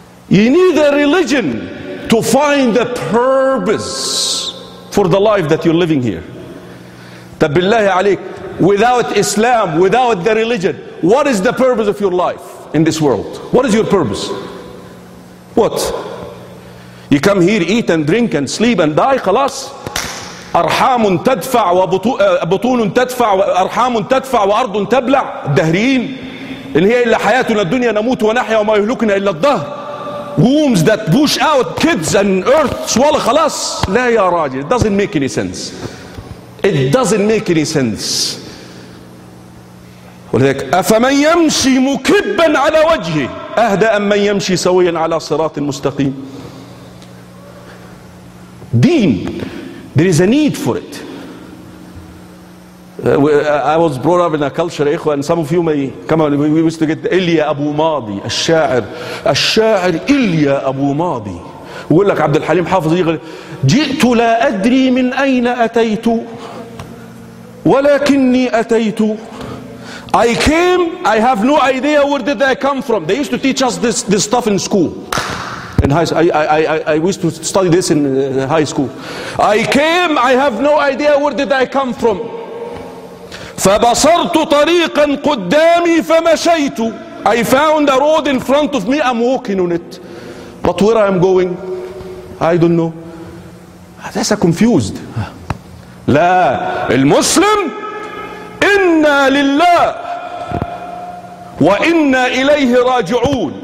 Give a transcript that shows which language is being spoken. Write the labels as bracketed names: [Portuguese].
[English] You need a religion to find the purpose for the life that you're living here. Tabillahi alik, without Islam, without the religion, what is the purpose of your life in this world? What is your purpose? What? You come here, eat and drink and sleep and die, khalas. [Arabic] أرحام تدفع وبطون تدفع وأرحام تدفع وأرض تبلع الدهرين إن هي إلا حياتنا الدنيا نموت ونحيا وما يهلكنا إلا الدهر. [English] Wombs that push out kids and earth swallow خلاص. [Arabic] لا يا راجل, [English] it doesn't make any sense, it doesn't make any sense. [Arabic] ولذلك أفمن يمشي مكبا على وجهه أهدى أم من يمشي سويا على صراط مستقيم. [English] دين, there is a need for it. I was brought up in a culture, إخوة, and some of you may come on, we used to get إليا أبو ماضي, الشاعر, الشاعر إليا أبو ماضي. [Arabic] ويقول لك عبد الحليم حافظ يقول جئت لا أدري من أين أتيت ولكني أتيت. [English] I came, I have no idea where did I come from. They used to teach us this stuff in school. In high, I wish to study this in high school. I came, I have no idea where did I come from. [Arabic] فبصرت طريقا قدامي فمشيت. [English] I found a road in front of me, I'm walking on it. But where I'm going, I don't know. That's a confused. [Arabic] لا, المسلم إنا لله وَإِنَّا إِلَيْهِ رَاجِعُونَ.